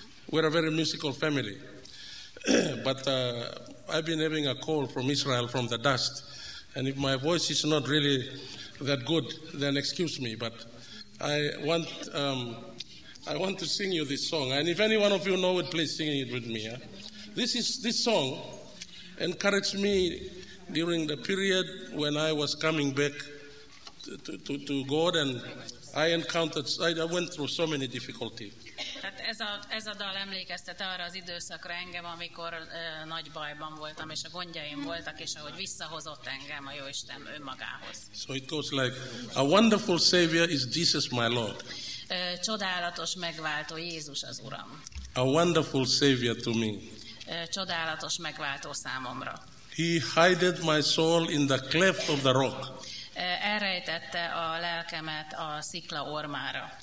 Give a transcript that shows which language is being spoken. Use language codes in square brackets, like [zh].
[en] We're a very musical family. But I've been having a call from Israel from the dust, and if my voice is not really that good, then excuse me, but I want to sing you this song, and if any one of you know it, please sing it with me. This song encouraged me during the period when I was coming back to God, and I went through so many difficulties. [hu] Tehát ez a dal emlékeztet arra az időszakra engem, amikor nagy bajban voltam, és a gondjaim voltak, és ahogy visszahozott engem a Jóisten önmagához. [en] So it goes like, a wonderful Savior is Jesus my Lord. [hu] Csodálatos megváltó Jézus az Uram. [en] A wonderful Savior to me. [hu] Csodálatos megváltó számomra. [en] He hided my soul in the cleft of the rock. [hu] Elrejtette a lelkemet a szikla ormára.